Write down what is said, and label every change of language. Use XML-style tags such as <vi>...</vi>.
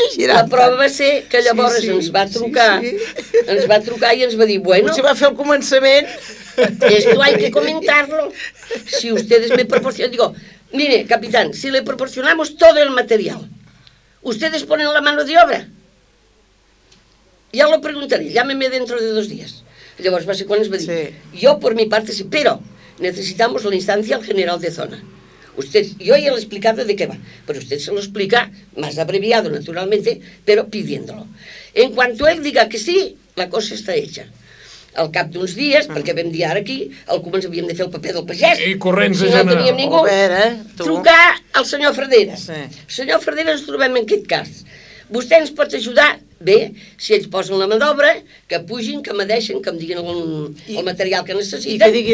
<ca>la prova va ser que llavors ens va trucar i ens va dir, bueno... Potser va fer el començament.</ca> <es>Esto hay que comentarlo. Si ustedes me proporcionan... Digo, mire, capitán, si le proporcionamos todo el material, ustedes ponen la mano de obra... Ya lo preguntaré, llámeme dentro de 2 días.</es> <ca>Llavors va ser quan es va dir, jo per mi part sí, però necessitamos la instància al general de zona.</ca> <es>Usted,</es> <ca>jo ja l'he explicat de què va, però</ca> <es>usted se lo explica, más abreviado naturalmente, pero pidiéndolo. En cuanto él diga que sí, la cosa está hecha.</es> <ca>Al cap d'uns dies, perquè vam dir ara aquí, el comens havíem de fer el paper del pagès. I corrents, si no teníem ningú, trucar al senyor Fredera. Sí. Senyor Fredera, ens trobem en aquest cas. Vostè ens pot ajudar? Bé, si ells posen la mà d'obra, que pugin, que medeixen, que em diguin el material que necessiten,</ca>